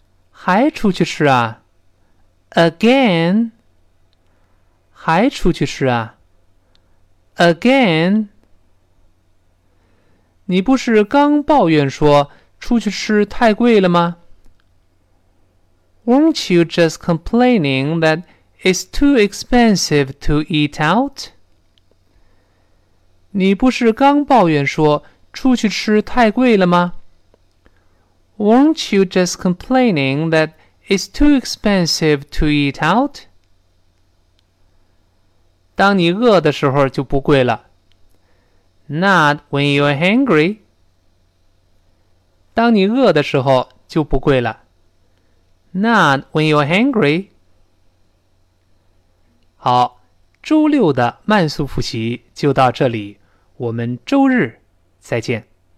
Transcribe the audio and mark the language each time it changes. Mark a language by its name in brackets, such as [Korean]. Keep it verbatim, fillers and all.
[Chinese] 还出去吃啊？ [English] Again? [Chinese] 还出去吃啊？ [English] Again? [Chinese] 你不是刚抱怨说出去吃太贵了吗？ [English] Weren't you just complaining that it's too expensive to eat out? [Chinese] 你不是刚抱怨说出去吃太贵了吗？ [English] Weren't you just complaining that it's too expensive to eat out? [Chinese] 当你饿的时候就不贵了。 [English] Not when you're hungry. [Chinese] 当你饿的时候就不贵了。 [English] Not when you're hungry. [Chinese] 好，周六的慢速复习就到这里，我们周日再见。